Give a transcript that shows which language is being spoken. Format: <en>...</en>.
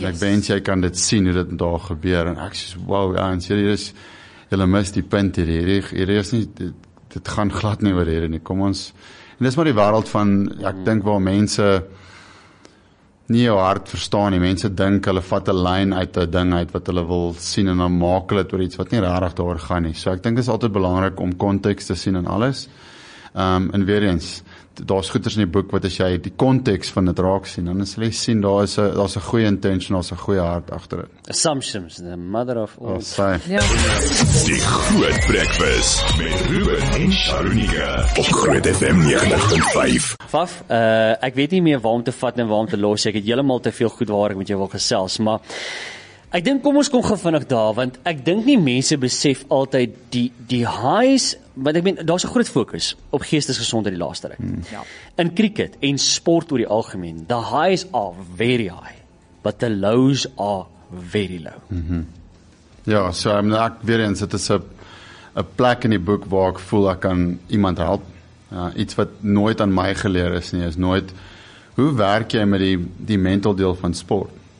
<af>ek wens jy kan dit sien hoe dit met haar gebeur, en ek sê, wow, ja, en sê, hier is, jylle mis die punt hier, hier is nie, dit gaan glad nie oor hier nie, kom ons, en dit is maar die wereld van, ek dink waar mense nie jou hart verstaan nie, mense dink, hulle vat 'n lyn uit 'n ding uit wat hulle wil sien en dan maak hulle dit oor iets wat nie regtig daar gaan nie. So ek dink dit is altyd belangrik om konteks te sien in alles. En weer eens, daar's goeters in die boek wat as jy die konteks van dit raak sien, dan sal jy sien daar's 'n goeie intention, daar's 'n goeie hart agter dit.</af> <en>Assumptions, the mother of all.</en> <af>Oh, sy. Ja. Die Groot Breakfast met Ruben en Sharunika op Groot FM 95. Faf, ek weet nie meer waar om te vat en waar om te los. Ek het heeltemal te veel goed waar ek met jou wil gesels, maar ek dink kom ons kom gou vinnig daar, want ek dink nie mense besef altyd die highs, want ek meen, daar's 'n groot fokus op geestesgesondheid die laaste ruk. Ja. In cricket en sport oor die algemeen,</af> <en>the highs are very high, but the lows are very low. Mm-hmm.</en> <af>Ja,</af> <en>so I mean,</en> <af>ek weer eens, dit is 'n plek in die boek waar ek voel ek kan iemand help. Iets wat nooit aan my geleer is nie, is nooit, hoe werk jy met die mental deel van sport?</af>